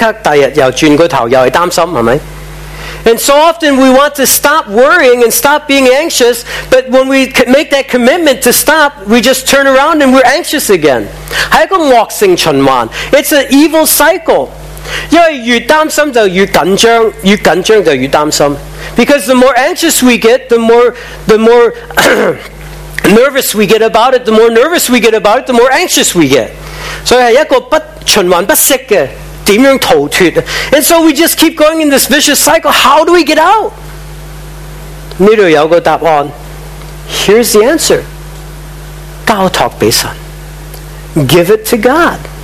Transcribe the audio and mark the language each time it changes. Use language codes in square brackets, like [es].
[zh] 好多事我们想停止，不再担心，但一讲不想再担心，即刻第二又转个头，又是担心，是不是？ [en] And so often we want to stop worrying and stop being anxious, but when we make that commitment to stop, we just turn around and we're anxious again. [zh] 是一个恶性循环， [en] it's an evil cycle. [zh] 因为越担心就越紧张，越紧张就越担心。 [en] Because the more anxious we get, the more nervous we get about it, the more nervous we get about it, the more anxious we get. [zh] 所以是一个不循环不息的，怎样逃脱？ [en] And so we just keep going in this vicious cycle. How do we get out? [zh] 这里有个答案。 [en] Here's the answer. [zh] 交托给神。 [en] Give it to God.